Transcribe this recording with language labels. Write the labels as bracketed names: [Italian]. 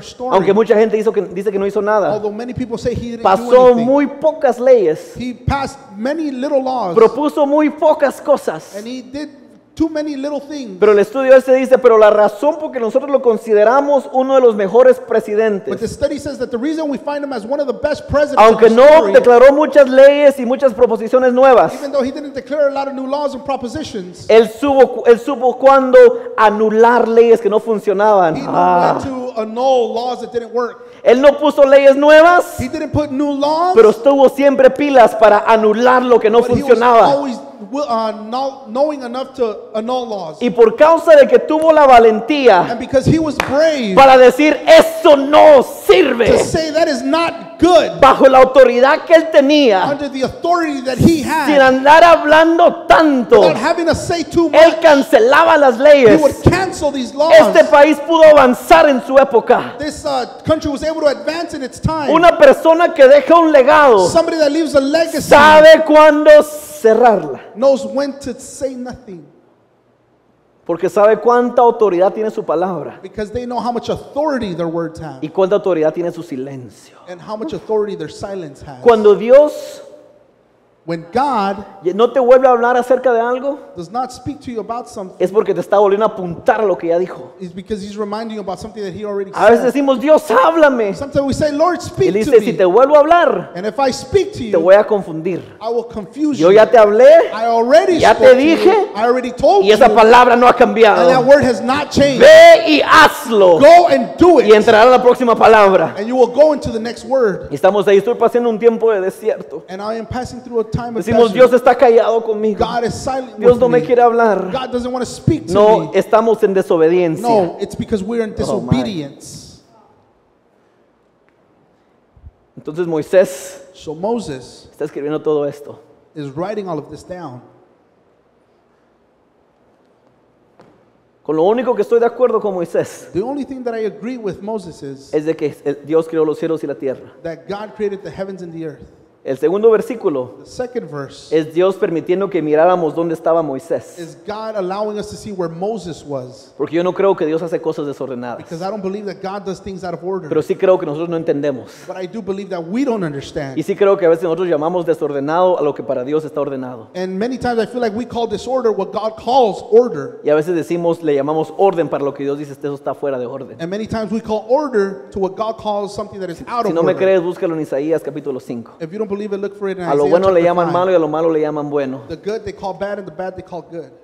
[Spanish] Aunque mucha gente dice que no hizo nada. Pasó muy pocas leyes. [English] He passed many little laws. [Spanish] Propuso muy pocas cosas. [English] And he did too many little things. [Spanish] Pero el estudio este dice, pero la razón por que nosotros lo consideramos uno de los mejores presidentes. [English] But the study says that the reason we find him as one of the best presidents. [Spanish] Aunque no declaró muchas leyes y muchas proposiciones nuevas. [English] Even though he didn't declare a lot of new laws and propositions. [Spanish] Él supo cuándo anular leyes que no funcionaban. [English] He knew when to annul laws that didn't work. [Spanish] Él no puso leyes nuevas. [English] He didn't put new laws. [Spanish] Pero estuvo siempre pilas para anular lo que no funcionaba. [English] Knowing enough to annul laws. [Spanish] Y por causa de que tuvo la valentía. [English] And because he was brave. [Spanish] Para decir eso no sirve. [English] To say that is not good. [Spanish] Bajo la autoridad que él tenía. [English] Under the authority that he had. [Spanish] Sin andar hablando tanto. [English] Without having to say too much. [Spanish] Él cancelaba las leyes. [English] He would cancel these laws. [Spanish] Este país pudo avanzar en su época. [English] This country was able to advance in its time. [Spanish] Una persona que deja un legado. [English] Somebody that leaves a legacy. [Spanish] Sabe cuándo cerrarla. [English] Knows when to say nothing. [Spanish] Porque sabe cuánta autoridad tiene su palabra. [English] Because they know how much authority their words have. [Spanish] Y cuánta autoridad tiene su silencio. [English] And how much authority their silence has. [Spanish] Cuando Dios, [English] when God, [Spanish] no te vuelve a hablar acerca de algo, [English] does not speak to you about something, [Spanish] es porque te está volviendo a apuntar a lo que ya dijo. [English] It's because he's reminding you about something that he already said. [Spanish] A veces decimos, Dios, háblame. [English] Sometimes we say, Lord, speak to me. [Spanish] Y dice, si te vuelvo a hablar, [English] and if I speak to you, [Spanish] te voy a confundir. [English] I will confuse you. [Spanish] Yo ya te hablé. [English] I already [Spanish] ya [English] spoke [Spanish] te dije. [English] To you. I already told you. [Spanish] Y esa palabra no ha cambiado. [English] And that word has not changed. [Spanish] Ve y hazlo. [English] Go and do it. [Spanish] Y entrará la próxima palabra. [English] And you will go into the next word. [Spanish] Y estamos ahí. Estoy pasando un tiempo de desierto. [English] And I am passing through a time of [Spanish] decimos [English] pleasure. [Spanish] Dios está callado conmigo. [English] God is silent. [Spanish] Dios no me quiere hablar. [English] God doesn't want to speak to [Spanish] no [English] me. [Spanish] Estamos en desobediencia. [English] No, it's because we're in disobedience. [Spanish] Entonces Moisés, [English] so Moses, [Spanish] está escribiendo todo esto, [English] is writing all of this down. [Spanish] Con lo único que estoy de acuerdo con Moisés, [English] the only thing that I agree with Moses is, [Spanish] es de que Dios creó los cielos y la tierra, [English] that God created the heavens and the earth. [Spanish] El segundo versículo, [English] the second verse, [Spanish] es Dios permitiendo que miráramos dónde estaba Moisés. [English] Is God allowing us to see where Moses was. [Spanish] Porque yo no creo que Dios hace cosas desordenadas. [English] Because I don't believe that God does things out of order. [Spanish] Pero sí creo que nosotros no entendemos. [English] But I do believe that we don't understand. [Spanish] Y sí creo que a veces nosotros llamamos desordenado a lo que para Dios está ordenado. [English] And many times I feel like we call disorder what God calls order. [Spanish] Y a veces decimos, le llamamos orden para lo que Dios dice, eso está fuera de orden. [English] And many times we call order to what God calls something that is out of order. [Spanish] Si no me crees, búscalo en Isaías capítulo 5. [English] If you don't believe it, look for it in Isaiah. [Spanish] A lo bueno le llaman malo y a lo malo le llaman bueno. [English] The good they call bad and the bad they call good.